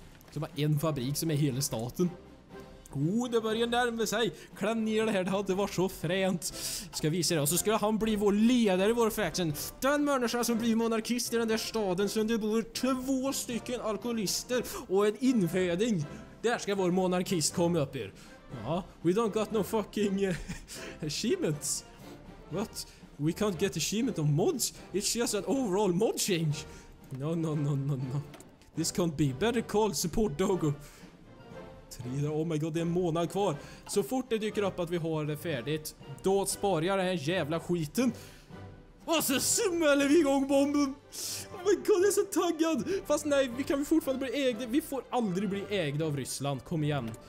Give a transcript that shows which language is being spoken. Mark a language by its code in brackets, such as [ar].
[sv] Som har en fabrik som är hela staten. Oh, det börjar närma sig. Kläm ner det här, det hade varit så fränt. Ska visa det. Och så skulle han bli vår ledare i vår faction. Den människa som blir monarkist i den där staden, så det bor två stycken alkoholister och en inföding. Där ska vår monarkist komma upp ur. [en] Ja, we don't got no fucking achievements. What? We can't get achievement on mods. It's just an overall mod change. No. This can't be. Better call support Dogo. Oh my god, [sv] det är en månad kvar. Så fort det dyker upp att vi har det färdigt, då sparar jag den här jävla skiten. Och så smäller vi igång bomben. [en] Oh my god, [sv] jag är så taggad. Fast nej, vi kan fortfarande bli ägda. Vi får aldrig bli ägda av Ryssland. Kom igen.